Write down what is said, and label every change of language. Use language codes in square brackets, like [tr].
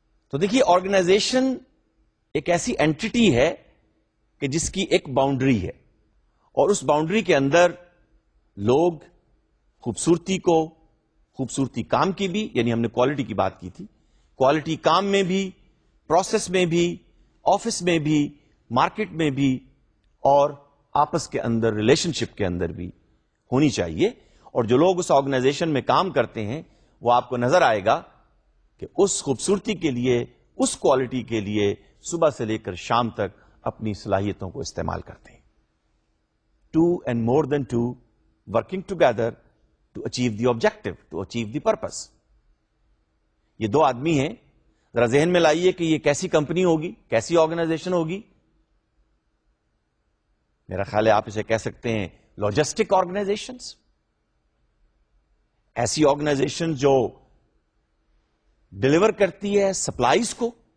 [ur] تو دیکھیے آرگنائزیشن ایک ایسی اینٹیٹی ہے کہ جس کی ایک باؤنڈری ہے اور اس باؤنڈری کے اندر لوگ خوبصورتی کو, خوبصورتی کام کی بھی, یعنی ہم نے کوالٹی کی بات کی تھی, کوالٹی کام میں بھی, پروسیس میں بھی, آفس میں بھی, مارکیٹ میں بھی اور آپس کے اندر ریلیشن شپ کے اندر بھی ہونی چاہیے. اور جو لوگ اس آرگنائزیشن میں کام کرتے ہیں وہ آپ کو نظر آئے گا کہ اس خوبصورتی کے لیے, اس کوالٹی کے لیے صبح سے لے کر شام تک اپنی صلاحیتوں کو استعمال کرتے ہیں. [en] Two and more than two working together to achieve the objective, to achieve the purpose. [ur] یہ دو آدمی ہیں, ذرا ذہن میں لائیے کہ یہ کیسی کمپنی ہوگی, کیسی آرگنائزیشن ہوگی. میرا خیال ہے آپ اسے کہہ سکتے ہیں لاجسٹک آرگنائزیشن, ایسی آرگنائزیشن جو ڈلیور کرتی ہے سپلائیز کو.